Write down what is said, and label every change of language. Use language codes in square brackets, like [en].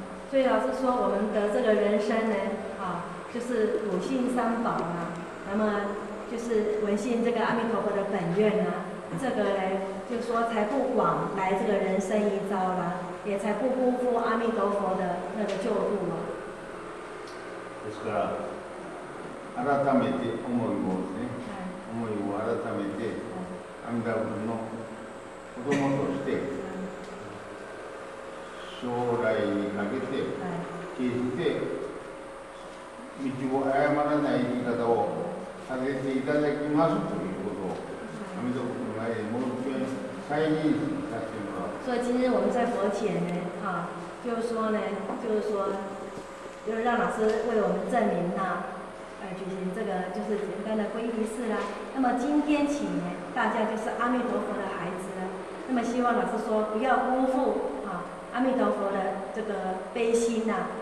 [zh] 所以老师说，我们得这个人生呢，就是笃信三宝啊，那么就是闻信这个阿弥陀佛的本愿啊，这个呢就说才不枉来这个人生一遭啦，也才不辜负阿弥陀佛的那个救度啊。 [ja] ですから、改めて思いをね、思いを改めて阿弥陀佛の子供として、将来にかけて決して。道を誤らない言い方をさせていただきますということを阿弥陀佛の前でもう一度再認識させてもらう。 [zh] 所以今天我们在佛前呢，就是说呢，就是说，就让老师为我们证明呐，举行这个就是简单的皈依式啦。那么今天起呢，大家就是阿弥陀佛的孩子了。那么希望老师说不要辜负阿弥陀佛的这个悲心呐。